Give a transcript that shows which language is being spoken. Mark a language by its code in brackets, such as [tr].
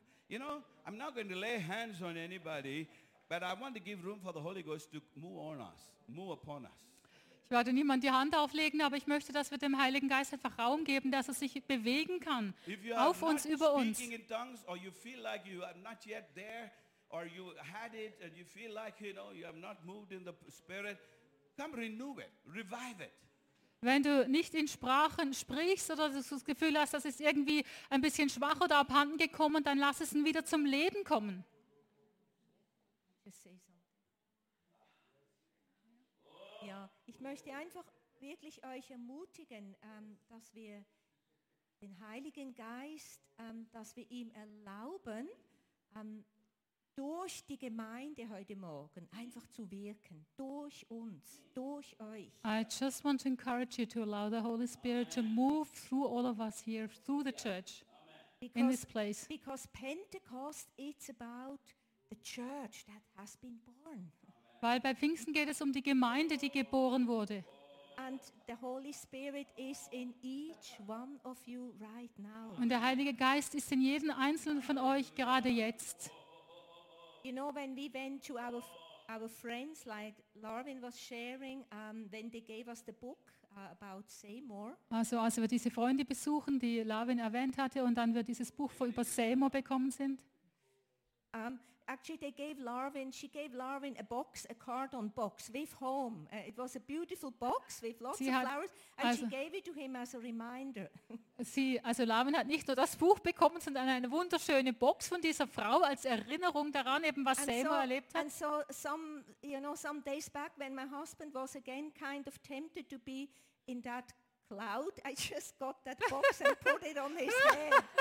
[en] You know, I'm not going to lay hands on anybody, but I want to give room for the Holy Ghost to move upon us. [de] Ich werde niemand die Hand auflegen, aber ich möchte, dass wir dem Heiligen Geist einfach Raum geben, dass er sich bewegen kann, auf uns, über uns. [en] Speaking in tongues, or you feel like you are not yet there, or you had it, and you feel like, you know, you have not moved in the Spirit, come renew it, revive it. [de] Wenn du nicht in Sprachen sprichst oder du das Gefühl hast, das ist irgendwie ein bisschen schwach oder abhanden gekommen, dann lass es ihn wieder zum Leben kommen. Ja, ich möchte einfach wirklich euch ermutigen, dass wir den Heiligen Geist, dass wir ihm erlauben, durch die Gemeinde heute Morgen einfach zu wirken, durch uns, durch euch. [en] I just want to encourage you to allow the Holy Spirit to move through all of us here, through the church. in this place. Because Pentecost, it's about the church that has been born. [de] Weil bei Pfingsten geht es um die Gemeinde, die geboren wurde. [en] And the Holy Spirit is in each one of you right now. [de] Und der Heilige Geist ist in jedem einzelnen von euch gerade jetzt. [en] You know, when we went to our friends, like Larvin was sharing, when they gave us the book about Seymour. [de] Also als wir diese Freunde besuchen, die Larvin erwähnt hatte, und dann wir dieses Buch über Seymour bekommen sind. [en] Actually, they gave Larvin. She gave Larvin a box, a cardon box with home. It was a beautiful box with lots of flowers, and she gave it to him as a reminder. [de] Also Larvin hat nicht nur das Buch bekommen, sondern eine wunderschöne Box von dieser Frau als Erinnerung daran, eben was Seymour erlebt hat. [en] And so some days back, when my husband was again kind of tempted to be in that cloud, I just got that box and put it on his head.